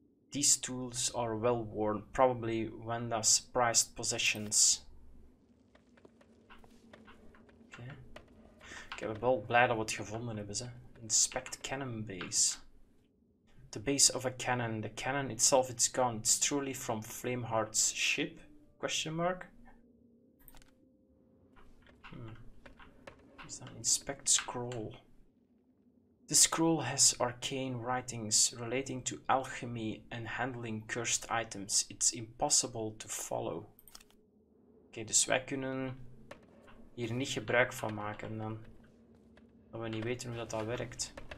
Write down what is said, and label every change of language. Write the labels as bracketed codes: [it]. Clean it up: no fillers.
[en] These tools are well worn, probably Wanda's prized possessions. [nl] Oké. Okay. Ik ben wel blij dat we het gevonden hebben, ze. [en] Inspect cannon base. The base of a cannon. The cannon itself is gone. It's truly from Flameheart's ship? Question mark. Is that inspect scroll? The scroll has arcane writings relating to alchemy and handling cursed items. It's impossible to follow. [nl] Okay, dus wij kunnen hier niet gebruik van maken dan. Dat we niet weten hoe dat werkt.